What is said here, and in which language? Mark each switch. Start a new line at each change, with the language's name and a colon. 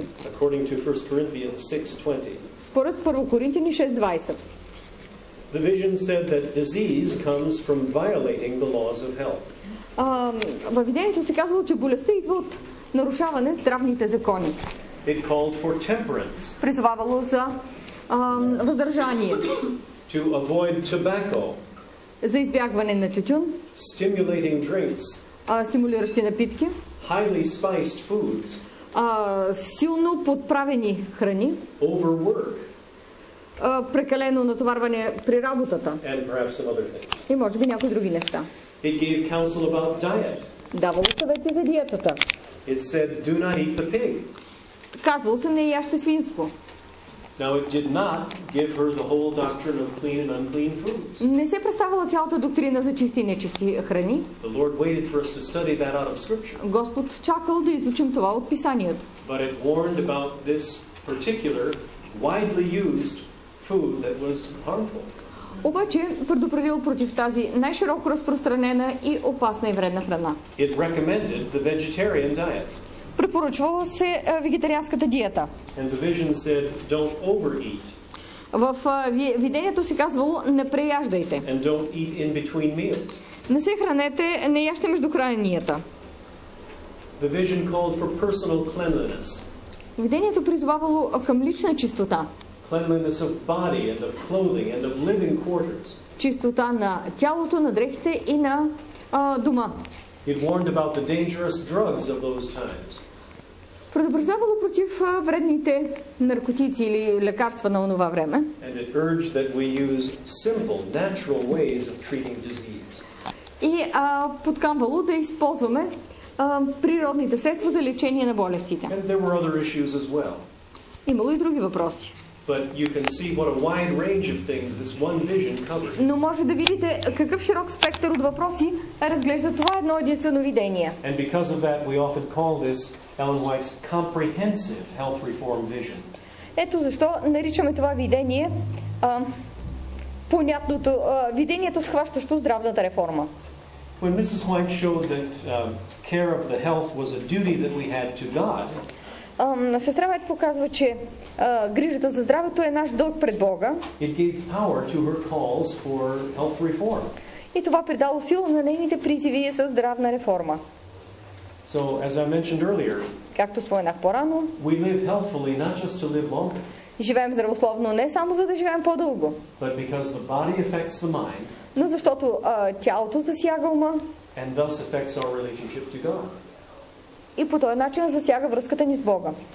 English: According to 1 Corinthians 6:20.
Bulgarian: Според 1 Коринтияни 6:20.
English: The vision said that disease comes from violating the laws of health.
Bulgarian: Във видението се казвало, че болестта идва от нарушаване на здравните закони.
English: It called for temperance.
Bulgarian: Призовавало за въздържание.
English: To avoid tobacco.
Bulgarian: За избягване на тютюн.
English: Stimulating drinks.
Bulgarian: Стимулиращи напитки.
English: Highly spiced foods.
Bulgarian: Силно подправени храни.
English: Overwork.
Bulgarian: Прекалено натоварване при работата.
English: And perhaps some other things.
Bulgarian: И може би някои други неща.
English: It gave counsel about diet.
Bulgarian: Давало съвети за диетата.
English: It said, do not eat the pig.
Bulgarian: Казвало се, не яще свинско.
English: Now it did not give her the whole doctrine of clean and unclean foods.
Bulgarian: Не се представила цялата доктрина за чисти и нечисти храни.
English: The Lord waited for us to study that out of Scripture.
Bulgarian: Господ чакал да изучим това от Писанието.
English: But it warned about this particular widely used food that was harmful.
Bulgarian: Обаче предупредил против тази най-широко разпространена и опасна и вредна храна.
English: It recommended the vegetarian diet.
Bulgarian: Препоръчвала се вегетарианската диета.
English: And the vision said, don't overeat.
Bulgarian: В видението се казвало, не преяждайте.
English: And don't eat in between meals.
Bulgarian: Не се хранете, не яжте между храненията.
English: The vision called for personal cleanliness.
Bulgarian: Видението призовавало към лична чистота.
English: Cleanliness of body and of clothing and of living quarters.
Bulgarian: Чистота на тялото, на дрехите и на дома.
English: It warned about the dangerous drugs of those times.
Bulgarian: Предупреждавало против вредните наркотици или лекарства на онова време.
English: And it urged that we use simple, natural ways of treating disease.
Bulgarian: И подканвало да използваме природните средства за лечение на болестите.
English: And there were other issues as well.
Bulgarian: Имало и други въпроси.
English: But you can see what a wide range of things this one vision covered.
Bulgarian: Но може да видите какъв широк спектър от въпроси разглежда това едно единствено видение.
English: And because of that, we often call this Ellen White's comprehensive health reform vision.
Bulgarian: Ето защо наричаме това видение понятното видението, схващащо здравната реформа.
English: When Mrs. White showed that care of the health was a duty that we had to God.
Bulgarian: Сестра Вайт показва, че грижата за здравето е наш дълг пред Бога.
English: It gave power to her calls for health reform.
Bulgarian: И това придало сила на нейните призиви за здравна реформа.
English: So, as I mentioned earlier,
Bulgarian: както споменах по-рано,
English: we live healthily not just to live longer,
Bulgarian: живеем здравословно не само за да живеем по-дълго,
English: but because the body affects the mind,
Bulgarian: но защото тялото засяга ума
English: and thus affects our relationship to God.
Bulgarian: И по този начин засяга връзката ни с Бога.